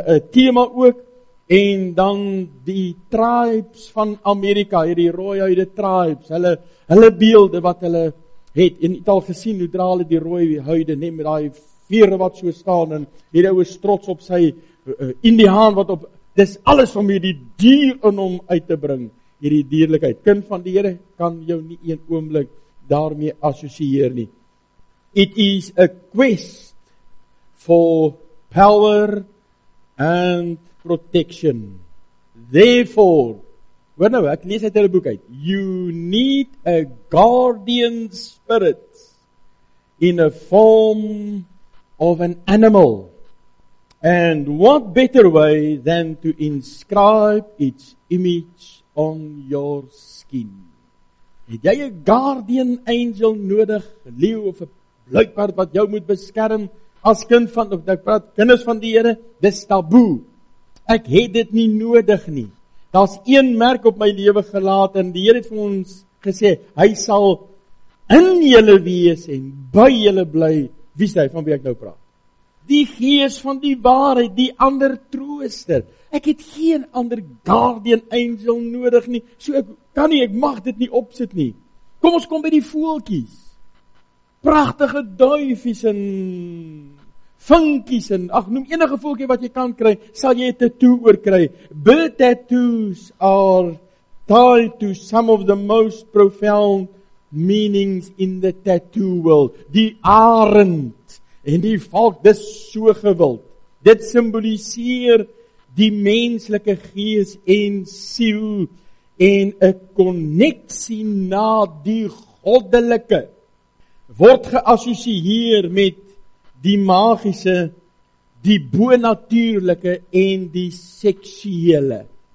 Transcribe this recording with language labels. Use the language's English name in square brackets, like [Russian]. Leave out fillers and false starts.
[Afrikaans] tema ook, en dan die tribes van Amerika, hierdie rooihuide tribes, hulle beelde wat hulle het, en het al gesien, hoe dra hulle die rooihuide, neem met die vere wat so staan, en het ou is trots op sy Indiaan wat op, dis alles om hierdie dier in hom uit te bring, hierdie dierlikheid. Kind van die Here kan jou nie een oomblik daarmee assosieer nie. [English] It is a quest for power and protection. Therefore, [Afrikaans] hoor nou, ek lees uit hulle boek uit, [English] you need a guardian spirit in a form of an animal. And what better way than to inscribe its image on your skin? [Afrikaans] Het jy 'n guardian angel nodig, 'n leeu of 'n luiperd wat jou moet beskerm as kind van, of ek praat kinders van die Here, dis taboe. Ek het dit nie nodig nie. Daar's een merk op my lewe gelaat en die Here het vir ons gesê, hy sal in julle wees en by julle bly. Wie sê van wie ek nou praat? Die gees van die waarheid, die ander trooster. Ek het geen ander guardian angel nodig nie. So ek kan nie, ek mag dit nie opsit nie. Kom ons kom by die voeltjies. Pragtige duifies en vinkies en, ag, noem enige voeltjie wat jy kan kry, sal jy 'n tattoo oor kry. [English] Bird tattoos are tied to some of the most profound meanings in the tattoo world. [Afrikaans] Die arend en die valk, dis so gewild. Dit simboliseer die menslike gees en siel en 'n koneksie na die goddelike word geassosieer met die magiese, die bonatuurlike en die seksuele.